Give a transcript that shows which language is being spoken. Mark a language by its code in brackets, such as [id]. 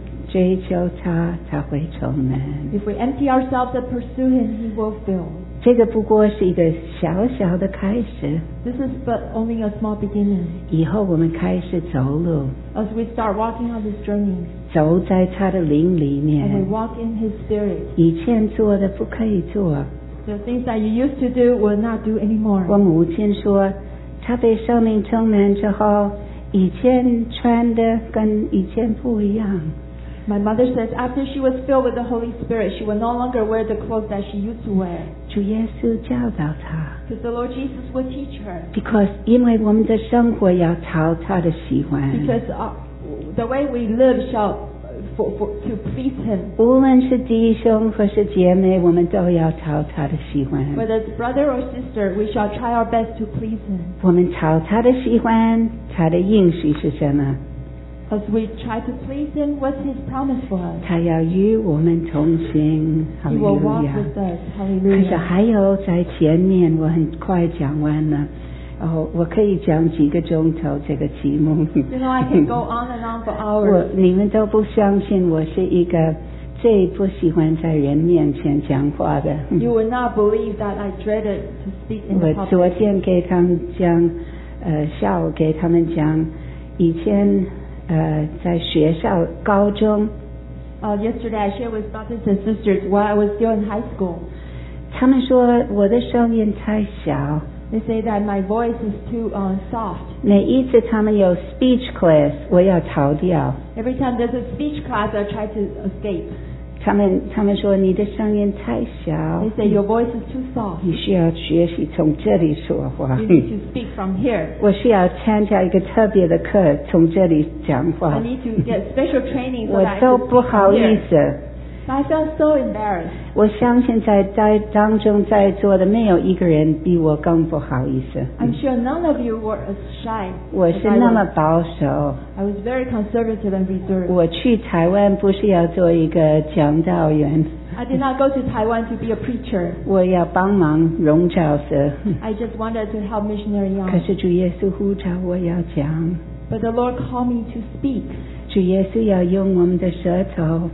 [zh] 要如果倒空追求他，他会充满。 [en] If we empty ourselves and pursue him, he will fill. [zh] 这个不过是一个小小的开始。 [en] This is but only a small beginning. [zh] 以后我们开始走路。 [en] As we start walking on this journey. [zh] 走在他的灵里面。 [en] And we walk in his spirit. [zh] 以前做的不可以做。 [en] The things that you used to do will not do anymore. [zh] 我母亲说，他被圣灵充满之后， 以前穿的跟以前不一样。 [en] My mother says after she was filled with the Holy Spirit, she will no longer wear the clothes that she used to wear. [zh] 主耶稣教导她。 [en] Because the Lord Jesus will teach her. Because [zh] 因为我们的生活要讨他的喜欢。 [en] Because the way we live shall to please him. [zh] 无论是弟兄或是姐妹, 我们都要讨他的喜欢。 [en] Whether it's brother or sister, we shall try our best to please him. [zh] 我们讨他的喜欢, 他的应许是什么? [en] As we try to please him, what's his promise for us? [zh] 他要与我们同行, [en] Hallelujah. He will walk with us, Hallelujah. [zh] 可是还有在前面, 我很快讲完了, 我可以讲几个钟头这个题目。 [en] You know, I can go on and on for hours. [zh] 你们都不相信我是一个最不喜欢在人面前讲话的。 [en] You would not believe that I dreaded to speak in the public. [zh] 我昨天给他们讲，下午给他们讲，以前在学校高中。 [en] Yesterday I shared with brothers and sisters while I was still in high school. [zh] 他们说我的声音太小。 [en] They say that my voice is too soft. [zh] 每一次他们有 speech class, 我要逃掉。 [en] Every time there's a speech class, I try to escape. [zh] 他们说你的声音太小。 [en] They say your voice is too soft. [zh] 你需要学习从这里说话。 [en] You need to speak from here. [zh] 我需要参加一个特别的课，从这里讲话。 [en] I need to get special training so that I can speak from here. [zh] 我都不好意思。 [en] I felt so embarrassed. [zh] 我相信在当中在座的没有一个人比我更不好意思。 [en] I'm sure none of you were as shy. [zh] 我是那么保守。 [en] I was very conservative and reserved. [zh] 我去台湾不是要做一个讲道员。 [en] I did not go to Taiwan to be a preacher. [zh] 我要帮忙荣教师。 [en] I just wanted to help missionary young. [zh] 可是主耶稣呼召我要讲。 [en] But the Lord called me to speak. [zh] 主耶稣要用我们的舌头。